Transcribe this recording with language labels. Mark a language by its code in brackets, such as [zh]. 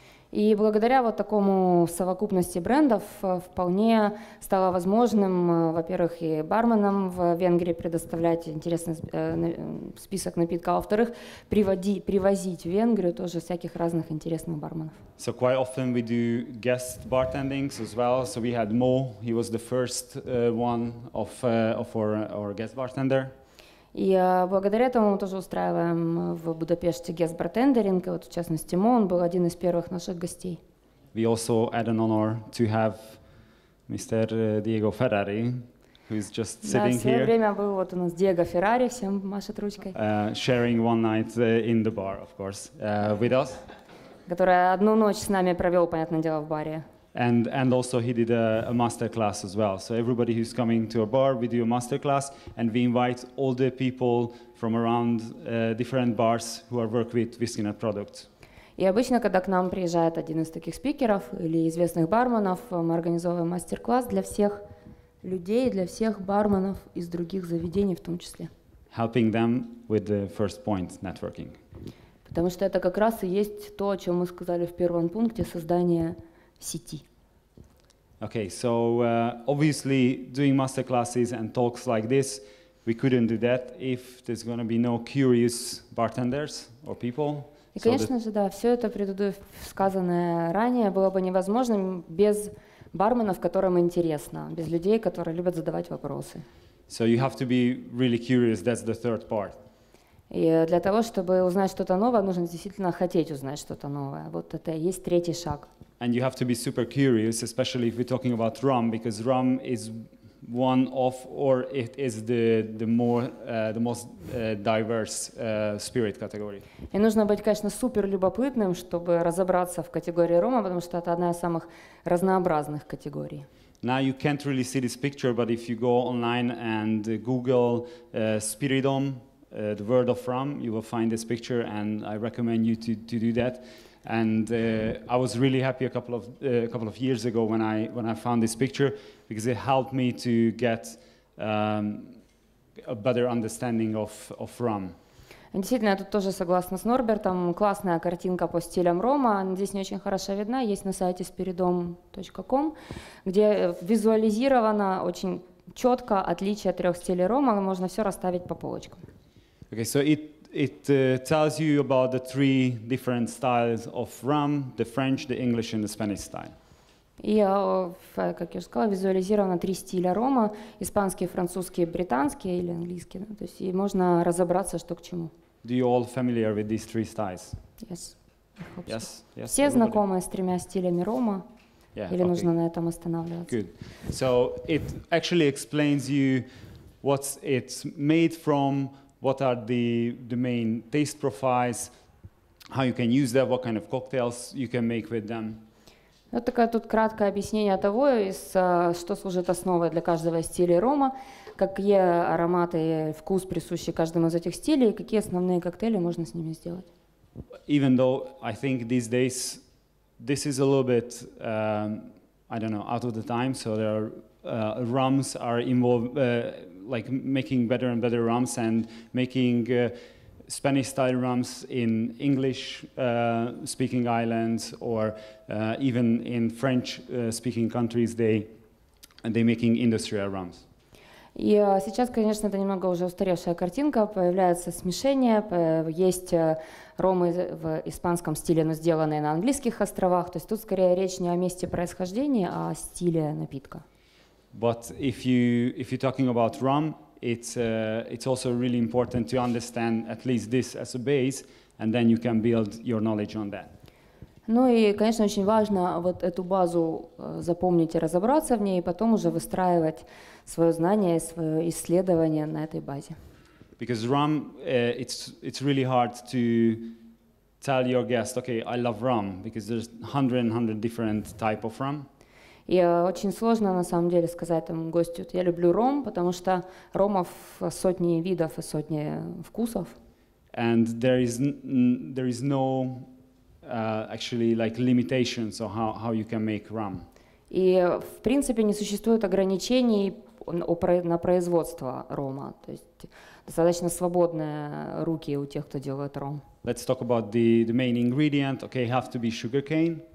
[ru] И благодаря вот такому совокупности брендов вполне стало возможным, во-первых, и барменам в Венгрии предоставлять интересный список напитков, а во-вторых, привозить в Венгрию тоже всяких разных интересных барменов. [en] So quite often we do guest bartendings as well. So we had Mo, he was the first one of our guest bartender. [ru] И благодаря этому мы тоже устраиваем в Будапеште guest bartendering, вот в частности Мо, он был один из первых наших гостей. [en] We also had an honor to have Mr. Diego Ferrari, who is just sitting here. [ru] Да, в свое время был вот у нас Диего Феррари, всем машет ручкой. [en] Sharing one night in the bar, of course, with us. [ru] Который одну ночь с нами провел, понятное дело, в баре. [en] And also he did a master class as well. So everybody who's coming to our bar, we do a master class, and we invite all the people from around different bars who are work with Whiskeynut products. [ru] И обычно, когда к нам приезжает один из таких спикеров или известных барменов, мы организовываем мастер-класс для всех людей, для всех барменов из других заведений в том числе. [en] Helping them with the first point, networking. [ru] Потому что это как раз и есть то, о чем мы сказали в первом пункте, создание сети. [en] Okay, so obviously doing masterclasses and talks like this, we couldn't do that if there's going to be no curious bartenders or people. [ru] И, конечно же, да, все это сказанное ранее было бы невозможным без барменов, которым интересно, без людей, которые любят задавать вопросы. [en] So you have to be really curious, that's the third part. [ru] И для того, чтобы узнать что-то новое, нужно действительно хотеть узнать что-то новое. Вот это и есть третий шаг. [en] And you have to be super curious, especially if we're talking about rum, because rum is one of, or it is the most diverse spirit category. [ru] И нужно быть, конечно, супер любопытным, чтобы разобраться в категории рома, потому что это одна из самых разнообразных категорий. [en] Now you can't really see this picture, but if you go online and Google spiritum, the word of rum, you will find this picture, and I recommend you to do that. And I was really happy a couple of years ago when I found this picture, because it helped me to get a better understanding of rum. [ru] Действительно, я тут тоже согласна с Норбертом. Классная картинка по стилям рома. Она здесь не очень хорошо видна. Есть на сайте spiritum.com, где визуализировано очень четко отличие трех стилей рома. Можно все расставить по полочкам. [en] Okay, so it tells you about the three different styles of rum, the French, the English, and the Spanish style. [ru] И, как я уже сказала, визуализировано три стиля рома: испанский, французский, британский или английский. Да? То есть, и можно разобраться, что к чему. [en] Do you all familiar with these three styles? Yes. Yes. [ru] Все [en] everybody. [ru] Знакомы с тремя стилями рома? [en] Yeah, [ru] или [en] okay. [ru] Нужно на этом останавливаться? [en] Good. So it actually explains you what it's made from, what are the main taste profiles, how you can use them, what kind of cocktails you can make with them. [ru] Вот такое тут краткое объяснение того, что служит основой для каждого стиля рома, какие ароматы и вкус присущи каждому из этих стилей, и какие основные коктейли можно с ними сделать. [en] Even though I think these days this is a little bit, I don't know, out of the time, so there are rums are involved, like making better and better rums and making Spanish style rums in English speaking islands or even in French speaking countries they making industrial rums. [ru] И сейчас, конечно, это немного уже устаревшая картинка, появляется смешение, есть ромы в испанском стиле, но сделанные на английских островах. То есть тут скорее речь не о месте происхождения, а о стиле напитка. [en] But if you're talking about rum, it's also really important to understand at least this as a base, and then you can build your knowledge on that. [ru] Ну и, конечно, очень важно вот эту базу запомнить и разобраться в ней, и потом уже выстраивать свое знание, свое исследование на этой базе. [en] Because rum, it's really hard to tell your guest, okay, I love rum, because there's 100 and 100 different type of rum. [ru] И очень сложно, на самом деле, сказать этому гостю, я люблю ром, потому что ромов сотни видов и сотни вкусов. [en] And there is no actually like limitations on how you can make rum. [ru] И в принципе не существует ограничений на производство рома, то есть достаточно свободные руки у тех, кто делает ром. [en] Let's talk about the main ingredient. Okay, have to be sugarcane.